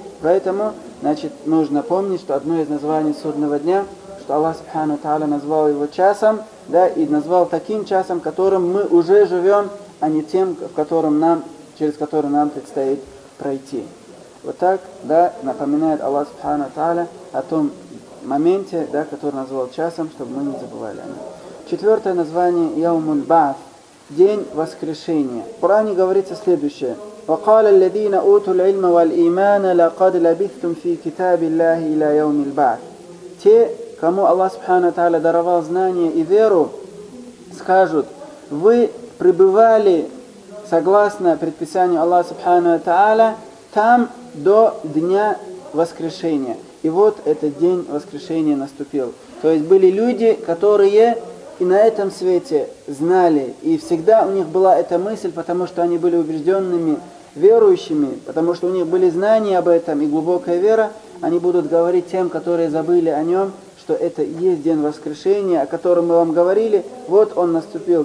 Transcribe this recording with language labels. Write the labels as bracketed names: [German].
[Russian] Поэтому, значит, нужно помнить, что одно из названий судного дня, что Аллах Субхану Тааля назвал его часом, да, и назвал таким часом, которым мы уже живем, а не тем, в котором нам, через который нам предстоит пройти. Вот так, да, напоминает Аллах Субхану Тааля о том моменте, да, который назвал часом, чтобы мы не забывали о нем. Четвертое название Яумун Баат, день воскрешения. В Коране говорится следующее. [Arabic] وقال الذين أوتوا العلم والإيمان لقد لبثتم في كتاب الله إلى يوم البعث. [Russian] Те, кому Аллах Субхана Тааля даровал знания и веру, скажут: вы пребывали согласно предписанию Аллаха Субхана Тааля там до дня воскрешения. И вот этот день воскрешения наступил. То есть были люди, которые и на этом свете знали, и всегда у них была эта мысль, потому что они были убежденными верующими, потому что у них были знания об этом и глубокая вера, они будут говорить тем, которые забыли о нем, что это и есть день воскрешения, о котором мы вам говорили, вот он наступил.